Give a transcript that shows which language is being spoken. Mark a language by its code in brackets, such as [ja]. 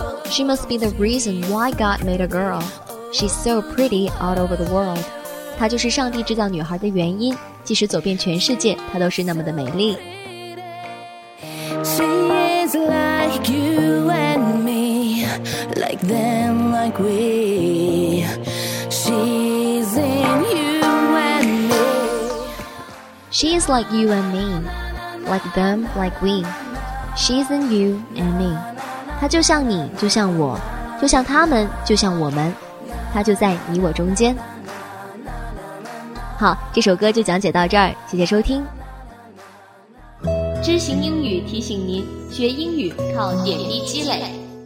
[en] She must be the reason why God made a girl. She's so pretty all over the world. [zh] 她就是上帝制造女孩的原因。即使走遍全世界，她都是那么的美丽。 [en] She is like you and me, like them, like we. She's in you and me. She is like you and me, like them, like we. She's in you and me. [zh] 他就像你，就像我，就像他们，就像我们，他就在你我中间。好，这首歌就讲解到这儿，谢谢收听。知行英语提醒您，学英语靠点滴积累。